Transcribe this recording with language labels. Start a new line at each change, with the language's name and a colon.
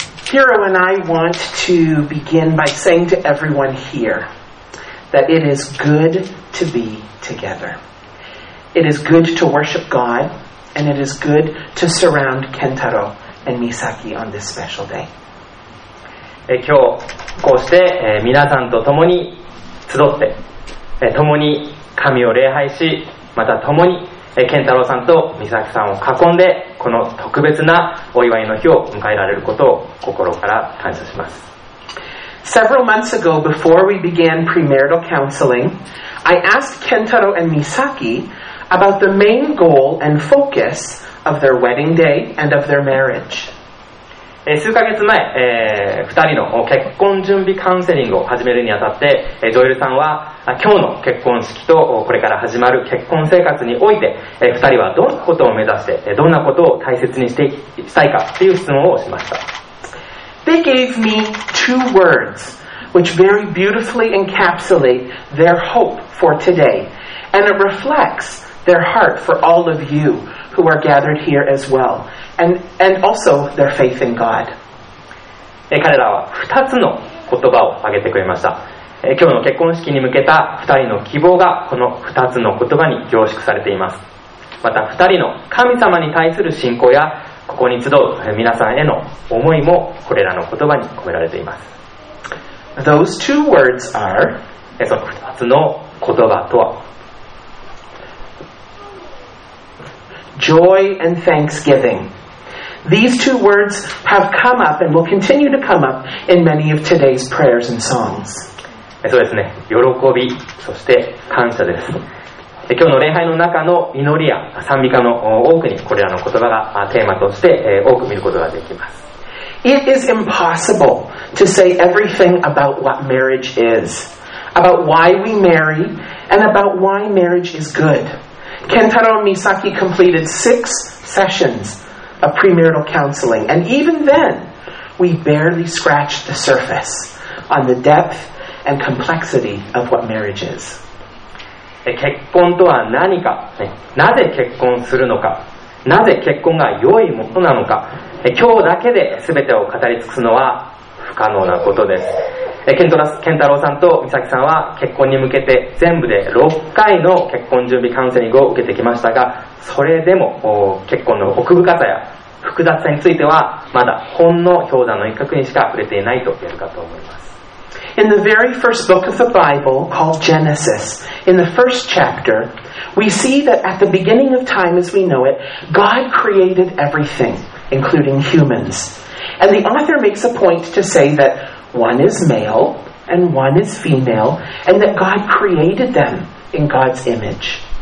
English: Hiro and I want to begin by saying to everyone here that it is good to be together. It is good to worship God, and it is good to surround Kentaro and Misaki on this special day.
Japanese: 今日こうして皆さんと共に集って、共に神を礼拝し、また共に健太郎さんと美咲さんを囲んで、この特別なお祝いの日を迎えられることを心から感謝します。
English: Several months ago, before we began premarital counseling, I asked Kentaro and Misaki about the main goal and focus of their wedding day and of their marriage.
Japanese: 数ヶ月前、2人の結婚準備カウンセリングを始めるにあたって、ジョエルさんは今日の結婚式とこれから始まる結婚生活において、2人はどんなことを目指して、どんなことを大切にしていたいかという質問をしました。
English: They gave me two words which very beautifully encapsulate their hope for today, and it reflects their heart for all of you who are gathered here as well, and also their faith in God.
Japanese: 彼らは2つの言葉を挙げてくれました。今日の結婚式に向けた2人の希望がこの2つの言葉に凝縮されています。また2人の神様に対する信仰やここに集う皆さんへの思いもこれらの言葉に込められています。
English: Those two words are、
Japanese: その2つの言葉とは
English: Joy and thanksgiving. These two words have come up and will continue to come up in many of today's prayers and songs
Japanese: そうですね、喜び、そして感謝です。今日の礼拝の中の祈りや賛美歌の多くにこれらの言葉がテーマとして多く見ることができます。
English: It is impossible to say everything about what marriage is, about why we marry, and about why marriage is good. Kentaro and Misaki completed 6 sessions of premarital counseling, and even then we barely scratched the surface on the depthand complexity of what marriage is.
Japanese: 結婚とは何か、なぜ結婚するのか、なぜ結婚が良いものなのか、今日だけで全てを語り尽くすのは不可能なことです。ケンタロウさんとミサキさんは結婚に向けて全部で6回の結婚準備カウンセリングを受けてきましたが、それでも結婚の奥深さや複雑さについてはまだほんの氷山の一角にしか触れていないと言えるかと思います。
English: In the very first book of the Bible, called Genesis, in the first chapter, we see that at the beginning of time as we know it, God created everything, including humans. And the author makes a point to say that one is male and one is female, and that God created them in God's image.